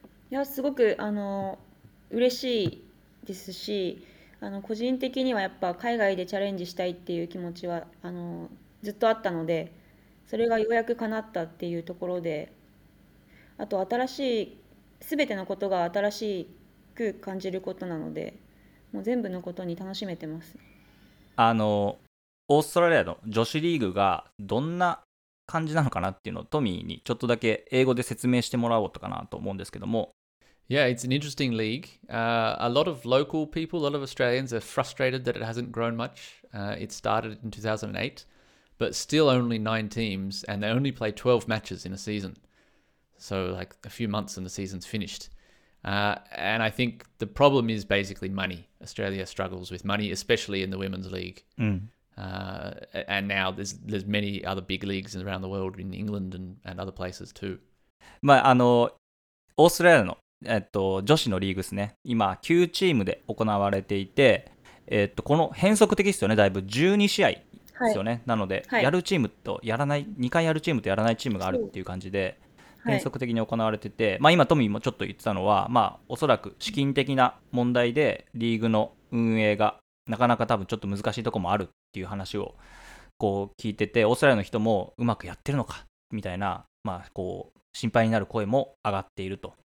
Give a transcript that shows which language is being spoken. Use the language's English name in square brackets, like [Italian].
[Japanese] いや、すごく嬉しいですし、個人的にはやっぱ海外でチャレンジしたいっていう気持ちはずっとあったので、それがようやく叶ったっていうところで、あと新しい、全てのことが新しく感じることなので、もう全部のことに楽しめてます。オーストラリアの女子リーグがどんな感じなのかなっていうのをトミーにちょっとだけ英語で説明してもらおうかなと思うんですけども。 [English] Yeah, it's an interesting league. A lot of local people, a lot of Australians are frustrated that it hasn't grown much. It started in 2008, but still only 9 teams, and they only play 12 matches in a season. So like a few months and the season's finished. And I think the problem is basically money. Australia struggles with money, especially in the women's league. Mm. And now there's many other big leagues around the world in England and other places too. [Japanese] まあオーストラリアの女子のリーグですね。今9チームで行われていて、この変則的ですよね、だいぶ12試合ですよね、はい、なので、はい、やるチームとやらない2回やるチームとやらないチームがあるっていう感じで変則的に行われてて、はい、まあ、今トミーもちょっと言ってたのは、まあ、おそらく資金的な問題でリーグの運営がなかなか多分ちょっと難しいところもあるっていう話をこう聞いてて、オーストラリアの人もうまくやってるのかみたいな、まあ、こう心配になる声も上がっていると。